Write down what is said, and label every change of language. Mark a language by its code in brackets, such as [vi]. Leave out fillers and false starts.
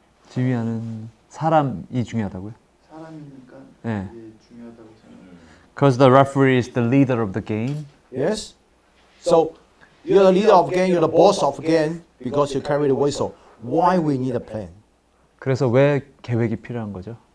[ko] 지휘하는 사람이 중요하다고요? 사람이니까 네. 중요하다고 생각해요. [en] Because the referee is the leader of the game. Yes. So You're the leader of the game, you're the boss of the game because you carry the whistle. Why we need a plan? [ko] 그래서 왜 계획이 필요한 거죠?